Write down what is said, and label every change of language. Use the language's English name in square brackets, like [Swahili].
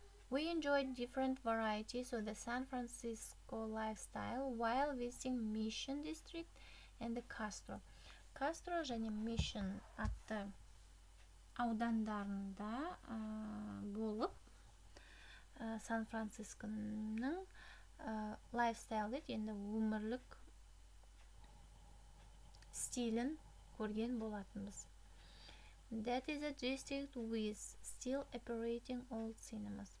[English] We enjoyed different varieties of the San Francisco lifestyle while visiting Mission District and the Castro. [Kazakh] Castro және Mission атты аудандарында болып, Сан-Францисконың lifestyle деп, енді өмірлік стилін көрген болатынбыз. [English] That is a district with still operating old cinemas.